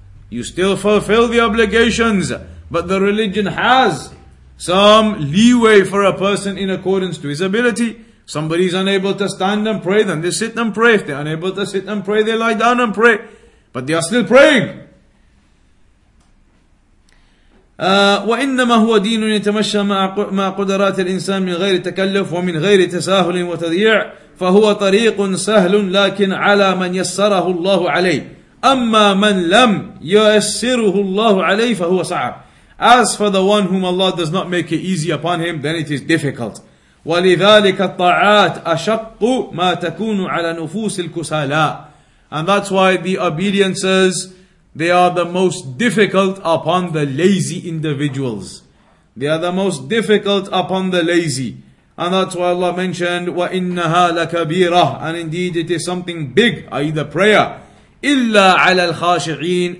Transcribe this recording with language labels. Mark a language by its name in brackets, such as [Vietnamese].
[English] You still fulfill the obligations, but the religion has some leeway for a person in accordance to his ability. Somebody is unable to stand and pray, then they sit and pray. If they're unable to sit and pray, they lie down and pray. But they are still praying. [Arabic] وإنما هو دين يتمشى مع قدرات الإنسان من غير تكلف ومن غير تساهل وتضييع فهو طريق سهل لكن على من يسره الله عليه أما من لم ييسره الله عليه فهو صعب. [English] As for the one whom Allah does not make it easy upon him, then it is difficult. [Arabic] ولذلك الطاعات أشق ما تكون على نفوس الكسالاء. [English] And that's why the obediences, they are the most difficult upon the lazy individuals. They are the most difficult upon the lazy. And that's why Allah mentioned, [Arabic] وَإِنَّهَا لَكَبِيرَةٌ. [English] And indeed it is something big, i.e. the prayer. [Arabic] إِلَّا عَلَى الْخَاشِعِينَ.